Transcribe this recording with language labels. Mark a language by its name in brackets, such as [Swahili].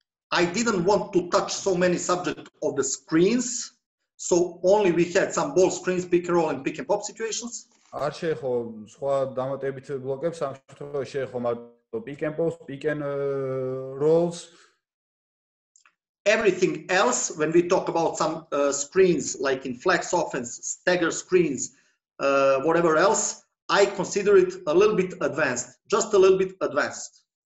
[English] I didn't want to touch so many subject of the screens so only we had some ball screens pick and roll and pick and pop situations [Georgian] არ შეეხო სხვა დამატებით ბლოკებს ამ შემთხვევაში შეეხო მარტო pick and pops pick and rolls [English] everything else, when we talk about some screens, like in flex offense, stagger screens, whatever else, I consider it a little bit advanced, just a little bit advanced.